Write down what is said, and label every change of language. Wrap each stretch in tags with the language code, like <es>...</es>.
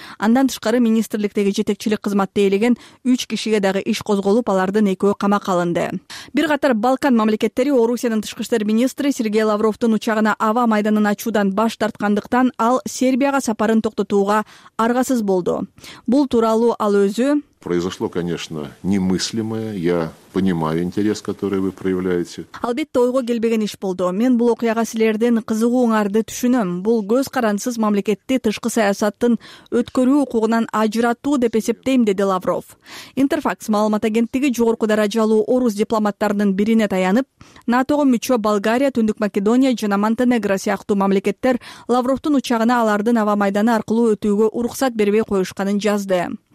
<ky>Андан тышкары министрликтеги жетекчилик кызматты ээлеген 3 кишиге дагы иш козголуп, алардын 2 камакка алынды. Бир катар Балкан мамлекеттери Орусиянын тышкы иштер министри Сергей Лавровдун учагына аба майданын ачуудан баш тарткандыктан ал Сербияга сапарын токтотууга аргасыз болду. Бул тууралуу ал өзү:</ky> <ru>Произошло, конечно, немыслимое. Я понимаю интерес, который вы проявляете.</ru> <ky>Албетте, ойго келбеген иш болду. Мен бул окуяга силердин кызыгууңарды түшүнөм. Бул көз карансыз мамлекетти тышкы саясаттын өткөрүү укугунан ажыратуу деп эсептейм, деди Лавров. Интерфакс маалымат агенттиги жогорку даражалуу орус дипломаттарынын бирине таянып, НАТОго мүчө Болгария, Түндүк Македония жана Монтенегро сыяктуу мамлекеттер Лавровдун учагына алардын аба майданы аркылуу өтүүгө уруксат бербей коюшканын жазды.</ky>